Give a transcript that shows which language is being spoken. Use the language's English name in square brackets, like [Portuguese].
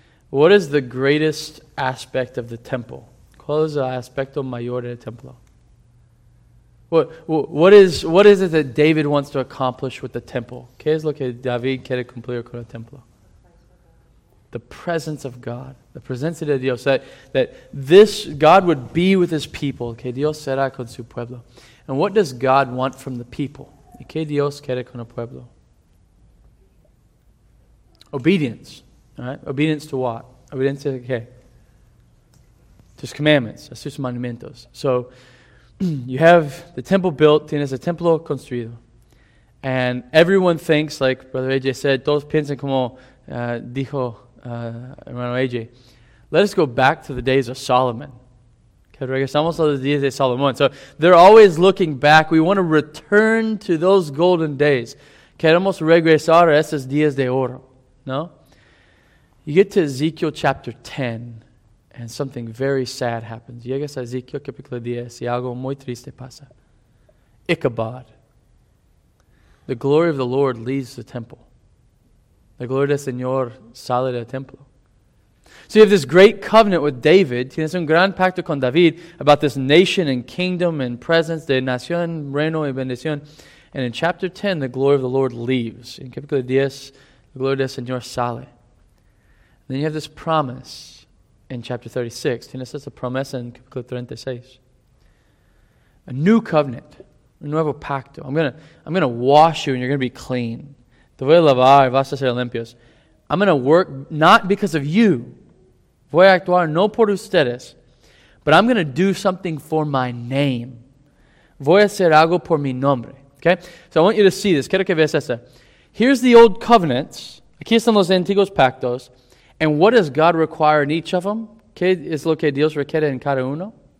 [English] What is the greatest aspect of the temple? [Spanish] ¿Cuál es el aspecto mayor del templo? [English] What is it that David wants to accomplish with the temple? [Spanish] ¿Qué es lo que David quiere cumplir con el templo? [English] The presence of God. The [Spanish] presencia de Dios. [English] That this God would be with his people. [Spanish] Que Dios será con su pueblo. [English] And what does God want from the people? [Spanish] ¿Qué Dios quiere con el pueblo? [English] Obedience. All right? Obedience to what? Obedience to okay. To his commandments, [Spanish] a sus mandamientos. [English] So you have the temple built, [Spanish] tienes el templo construido. [English] And everyone thinks, like Brother AJ said, [Spanish] todos piensan como dijo hermano AJ. [English] Let us go back to the days of Solomon. [Spanish] Que regresamos a los días de Salomón. [English] So they're always looking back. We want to return to those golden days. [Spanish] Queremos regresar a esos días de oro. No? [English] You get to Ezekiel chapter 10, and something very sad happens. [Spanish] Llegas a Ezekiel capítulo 10, y algo muy triste pasa. [English] Ichabod. The glory of the Lord leaves the temple. [Spanish] La gloria del Señor sale del templo. [English] So you have this great covenant with David. [Spanish] Tienes un gran pacto con David [English] about this nation and kingdom and presence, [Spanish] de nación, reino y bendición. [English] And in chapter 10, the glory of the Lord leaves. In [Spanish] capítulo 10, la gloria del Señor sale. [English] Then you have this promise in chapter 36. [Spanish] Tienes esta promesa en capítulo 36. [English] A new covenant. [Spanish] Un nuevo pacto. [English] I'm gonna wash you and you're going to be clean. [Spanish] Te voy a lavar y vas a ser limpios. [English] I'm going to work not because of you. [Spanish] Voy a actuar no por ustedes. [English] But I'm going to do something for my name. [Spanish] Voy a hacer algo por mi nombre. [English] Okay? So I want you to see this. [Spanish] Quiero que veas esta. [English] Here's the old covenants. [Spanish] Aquí están los antiguos pactos. [English] And what does God require in each of them? [Spanish] ¿Qué es lo que Dios requiere en cada uno?